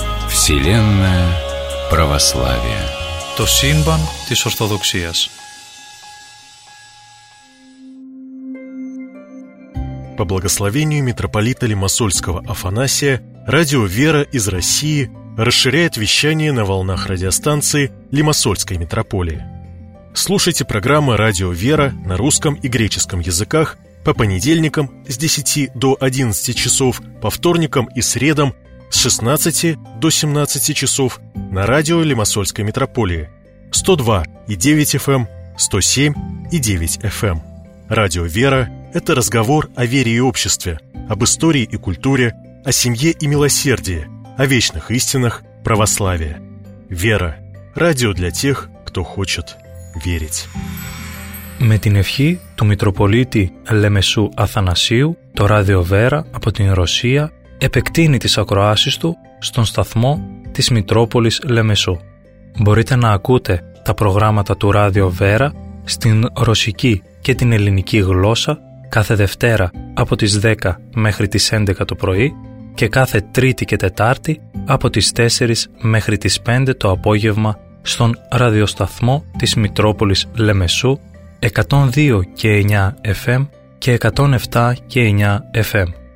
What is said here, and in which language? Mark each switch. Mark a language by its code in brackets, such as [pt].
[ru] Вселенная православие. [el] То сύμπαν της Ορθοδοξίας. [ru] По благословению митрополита Лимассольского Афанасия, радио «Вера» из России расширяет вещание на волнах радиостанции Лимассольской митрополии. Слушайте программы «Радио «Вера»» на русском и греческом языках по понедельникам с 10 до 11 часов, по вторникам и средам с 16 до 17 часов на радио Лимассольской митрополии 102.9 FM, 107.9 FM. Радио «Вера» — это разговор о вере и обществе, об истории и культуре, о семье и милосердии, о вечных истинах православия. «Вера» — радио для тех, кто хочет верить. [el] Με την ευχή του Μητροπολίτη Λεμεσού Αθανασίου, το Ράδιο Βέρα από την Ρωσία επεκτείνει τις ακροάσεις του στον σταθμό της Μητρόπολης Λεμεσού. Μπορείτε να ακούτε τα προγράμματα του Ράδιο Βέρα στην ρωσική και την ελληνική γλώσσα κάθε Δευτέρα από τις 10 μέχρι τις 11 το πρωί και κάθε Τρίτη και Τετάρτη από τις 4 μέχρι τις 5 το απόγευμα στον ραδιοσταθμό της Μητρόπολης Λεμεσού 102 και 9 FM και 107 και 9 FM.